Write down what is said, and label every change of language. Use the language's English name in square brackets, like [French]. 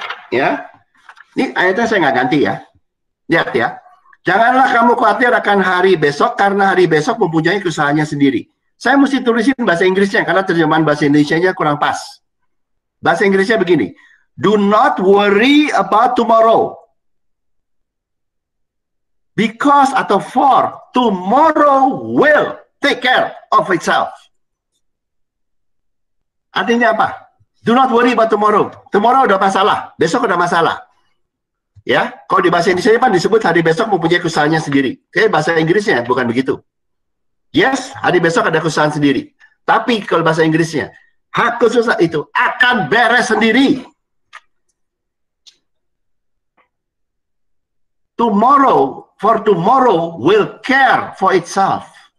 [Indonesian] Ya? Ini ayatnya saya gak ganti ya. Lihat ya. Janganlah kamu khawatir akan hari besok karena hari besok mempunyai kesalahannya sendiri. Saya mesti tulisin bahasa Inggrisnya karena terjemahan bahasa Indonesia-nya kurang pas. Bahasa Inggrisnya begini. [English] Do not worry about tomorrow. Because [Indonesian] atau [English] for tomorrow will take care of itself. [Indonesian] Artinya apa? [English] Do not worry about tomorrow. [Indonesian] Tomorrow udah masalah, besok udah masalah. Ya, kalau di bahasa Indonesia kan disebut hari besok mempunyai kesalahannya sendiri. Kayak bahasa Inggrisnya bukan begitu. Yes, hari besok ada kesalahan sendiri. Tapi kalau bahasa Inggrisnya, hak kesalahan itu akan beres sendiri. [English] Tomorrow, for tomorrow will care for itself.